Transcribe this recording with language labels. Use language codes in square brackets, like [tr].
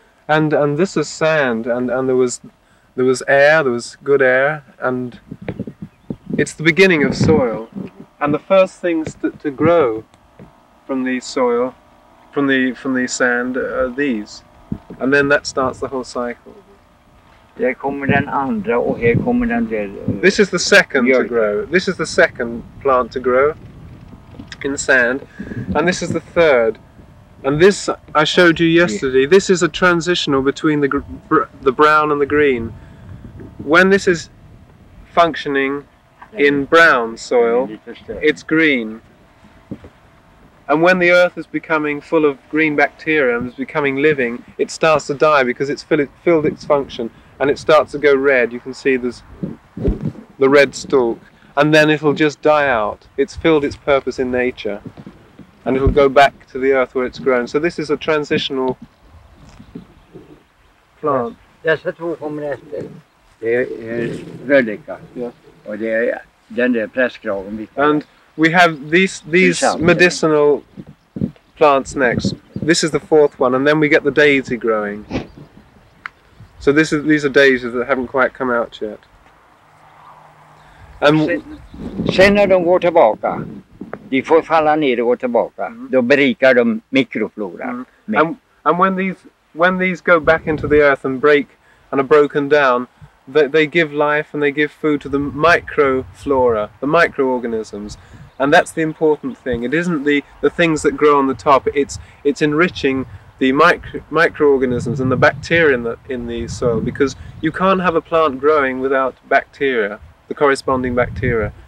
[en] And this is sand, and there was air, there was good air, and it's the beginning of soil. And the first things to grow from the soil, from the sand, are these. And then that starts the whole cycle. [sv] Här kommer den andra och här kommer den där. [en] This is the second to grow. This is the second plant to grow in sand. And this is the third. And this I showed you yesterday. This is a transitional between the brown and the green. When this is functioning in brown soil, it's green. And when the earth is becoming full of green bacteria and is becoming living, it starts to die because it's filled its function. And it starts to go red. You can see there's the red stalk. And then it'll just die out. It's filled its purpose in nature. And it'll go back to the earth where it's grown. So this is a transitional plant. [sv] Dessa två kommer efter. Det är rödlika. Och det är den där prästkragen. [en] And we have these medicinal plants next. This is the fourth one. And then we get the daisy growing. So these are daisies that haven't quite come out yet. [sv] And sen när de går tillbaka, de får falla ner och gå tillbaka. Då berikar de mikrofloran. [en] And when these go back into the earth and break and are broken down, they give life and they give food to the microflora, the microorganisms. And that's the important thing. It isn't the things that grow on the top. It's enriching the microorganisms and the bacteria in the soil, because you can't have a plant growing without bacteria, the corresponding bacteria.